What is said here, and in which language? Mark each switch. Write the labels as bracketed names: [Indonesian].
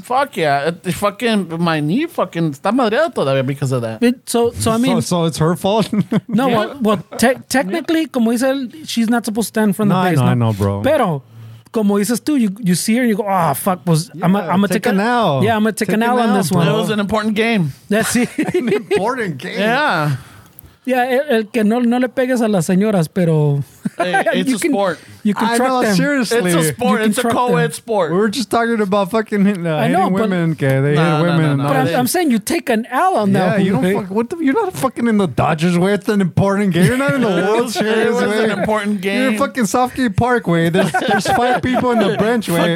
[English] Fuck yeah! Fucking my knee, fucking [Spanish] está madreado todavía [English] because of that. So it's her fault. No, yeah. Technically, yeah. [Spanish] Como dice, [English] she's not supposed to stand from the base. I know, bro. [Spanish] Pero, como dices tú, [English] you see her and you go, oh, fuck, I'm going to take a nail. Yeah, I'm going to take a nail on this one. It was an important game. Yeah, sí. An important game. Yeah. [Spanish] Yeah, el que no le pegues a las señoras, pero... [English] Hey, it's a sport. You can track them. Seriously. It's a sport. It's a co-ed sport. We were just talking about fucking hitting women. Okay, they hit women. No, I'm saying you take an L on that. Yeah, you don't you're not fucking in the Dodgers way. It's an important game. You're not in the World Series way. It's an important game. You're fucking Softkey Park way. There's five people in the bench way.